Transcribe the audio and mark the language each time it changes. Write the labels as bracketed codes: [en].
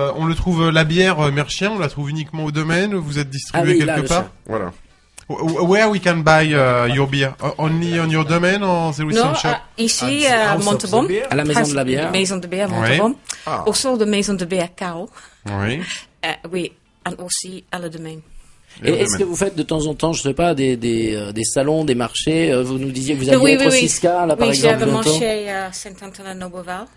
[fr] On le trouve la bière Merchien, on la trouve uniquement au domaine, vous êtes distribué quelque part? Voilà. [en] Where we can buy your beer? Only on your domain or there is some shop? [fr] Ici, à Montauban. À la maison de la bière. Maison de bière, Montauban. Oui. Ah. Au sort de maison de bière, Caro. Oui. Oui, and aussi à la domaine. Et est-ce que vous faites de temps en temps, je ne sais pas, des salons, des marchés? Vous nous disiez que vous aviez Siska, là, par exemple. Oui, j'avais marché à Saint-Antoine-Noboval.